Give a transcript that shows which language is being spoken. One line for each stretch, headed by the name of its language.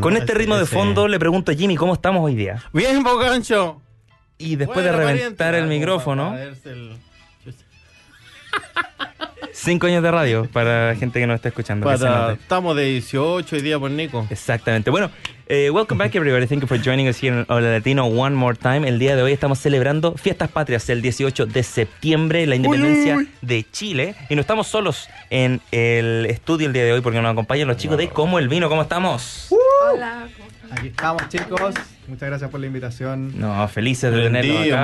Spanish: Con este ritmo de fondo le pregunto a Jimmy, ¿cómo estamos hoy día? Bien, Pocancho. Y después bueno, de reventar pariente, el micrófono... 5 años de radio para la gente que nos está escuchando. Estamos de 18 hoy día por Nico. Exactamente. Bueno,
English: welcome back everybody. Thank you for joining us here in Hola Latino one more time.
Spanish: El día de hoy estamos celebrando Fiestas Patrias, el 18 de septiembre, la independencia de Chile. Y no estamos solos en el estudio el día de hoy porque nos acompañan los chicos de Como el Vino. ¿Cómo estamos? Hola. Aquí estamos, chicos. Muchas gracias por la invitación. No, felices de tenerlo acá.